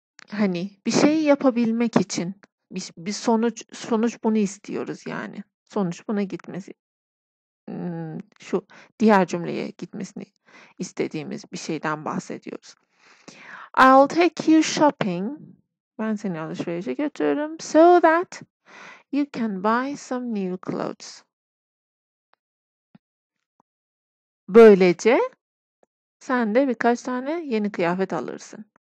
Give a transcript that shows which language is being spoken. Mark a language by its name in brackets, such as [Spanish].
[Turkish] Hani bir şeyi yapabilmek için bir sonuç bunu istiyoruz yani. Sonuç buna gitmesi, şu diğer cümleye gitmesini istediğimiz bir şeyden bahsediyoruz. [English] I'll take you shopping. [Turkish] Ben seni alışverişe götürürüm. [English] So that you can buy some new clothes. [Turkish] Böylece sen de birkaç tane yeni kıyafet alırsın.